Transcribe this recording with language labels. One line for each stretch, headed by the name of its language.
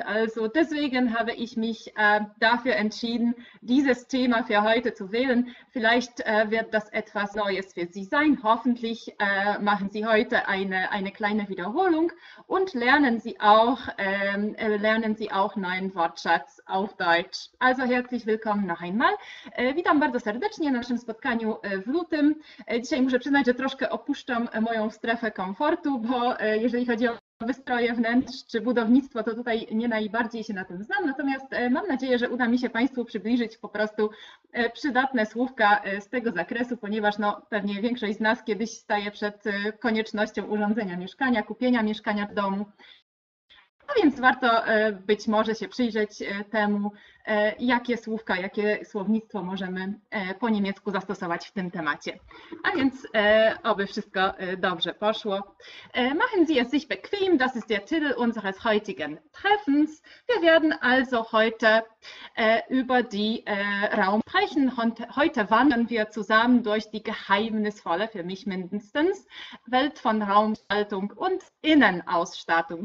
German: Also deswegen habe ich mich dafür entschieden, dieses Thema für heute zu wählen. Vielleicht wird das etwas Neues für Sie sein. Hoffentlich machen Sie heute eine kleine Wiederholung und lernen Sie auch neuen Wortschatz auf Deutsch. Also herzlich willkommen noch einmal.
Polish: Witam bardzo serdecznie na naszym spotkaniu w lutym. Dzisiaj muszę przyznać, że troszkę opuszczam moją strefę komfortu, bo jeżeli chodzi o wystroje wnętrz czy budownictwo, to tutaj nie najbardziej się na tym znam, natomiast mam nadzieję, że uda mi się Państwu przybliżyć po prostu przydatne słówka z tego zakresu, ponieważ no, pewnie większość z nas kiedyś staje przed koniecznością urządzenia mieszkania, kupienia mieszkania w domu. A więc warto być może się przyjrzeć temu, jakie słówka, jakie słownictwo możemy po niemiecku zastosować w tym temacie. A więc oby wszystko dobrze poszło.
German: Machen Sie es sich bequem, das ist der Titel unseres heutigen Treffens. Wir werden also heute über die Raum sprechen und heute wandern wir zusammen durch die geheimnisvolle, für mich mindestens, Welt von Raumgestaltung und Innenausstattung.